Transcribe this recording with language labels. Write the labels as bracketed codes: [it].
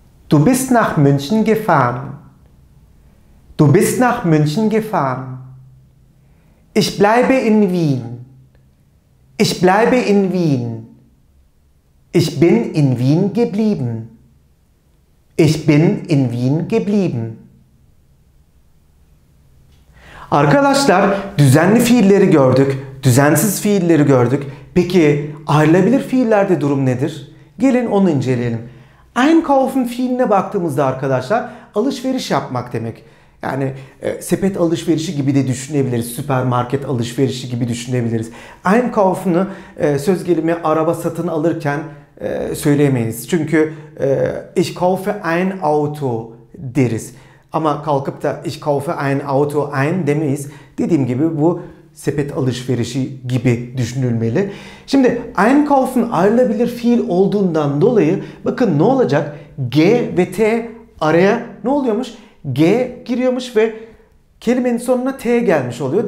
[de] Du bist nach München gefahren. Du bist nach München gefahren. Ich bleibe in Wien. Ich bleibe in Wien. Ich bin in Wien geblieben. Ich bin in Wien geblieben. [tr] Arkadaşlar, düzenli fiilleri gördük, düzensiz fiilleri gördük. Peki ayrılabilir fiillerde durum nedir? Gelin onu inceleyelim. Einkaufen fiiline baktığımızda arkadaşlar, alışveriş yapmak demek. Yani sepet alışverişi gibi de düşünebiliriz. Süpermarket alışverişi gibi düşünebiliriz. Einkaufen'ı söz gelimi araba satın alırken söyleyemeyiz. Çünkü [de] ich kaufe ein Auto [tr] deriz. Ama kalkıp da [de] ich kaufe ein Auto ein [tr] demeyiz. Dediğim gibi bu sepet alışverişi gibi düşünülmeli. Şimdi einkaufen ayrılabilir fiil olduğundan dolayı bakın ne olacak? G ve T araya ne oluyormuş? G giriyormuş ve kelimenin sonuna T gelmiş oluyor.